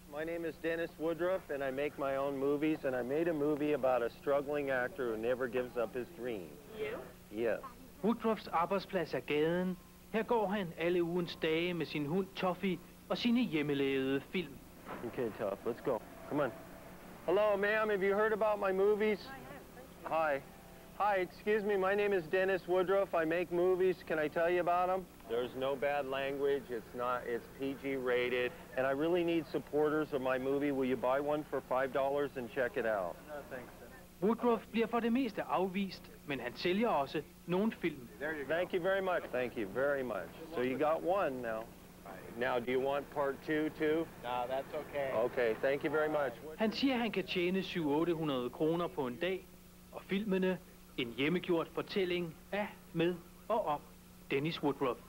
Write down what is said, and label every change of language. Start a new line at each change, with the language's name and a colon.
English: My name is Dennis Woodruff, and I make my own movies, and I made a movie about a struggling actor who never gives up his dream. You? Yes.
Danish: Woodruffs arbejdsplads er gaden. Her går han alle ugens dage med sin hund Toffy og sine hjemmelavede film.
English: Okay, Toff, let's go. Come on. Hello, ma'am, have you heard about my movies? I have, thank you. Hi. Hi, excuse me, my name is Dennis Woodruff. I make movies. Can I tell you about them? There's no bad language. It's PG rated. And I really need supporters of my movie. Will you buy one for $5 and check it out? No, thanks.
Danish: Woodruff bliver for det meste afvist, men han sælger også nogle film.
English: There you go. Thank you very much. Thank you very much. So you got one now. Now, do you want part two too? No, that's okay. Okay, thank you very much.
Danish: Han siger, han kan tjene 700-800 kroner på en dag, og filmene, en hjemmegjort fortælling af, med og om Dennis Woodruff.